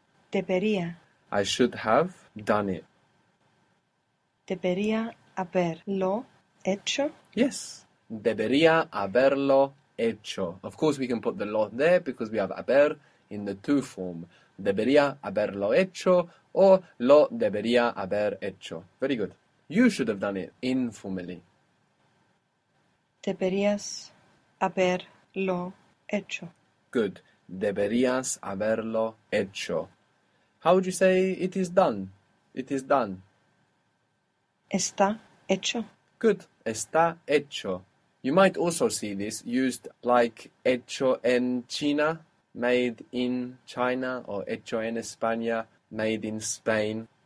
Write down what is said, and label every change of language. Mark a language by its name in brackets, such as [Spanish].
[Spanish] Debería. [English] I should have done it. [Spanish] Debería haberlo hecho? [English] Yes. [Spanish] Debería haberlo hecho. [English] Of course, we can put the lo there because we have haber in the to form. [Spanish] Debería haberlo hecho o lo debería haber hecho. [English] Very good. You should have done it informally. [Spanish] Deberías haberlo hecho. [English] Good. [Spanish] Deberías haberlo hecho. [English] How would you say it is done? It is done. [Spanish] Está hecho. [English] Good. Está hecho. You might also see this used like [Spanish] hecho en China, [English] made in China, or [Spanish] hecho en España, [English] made in Spain.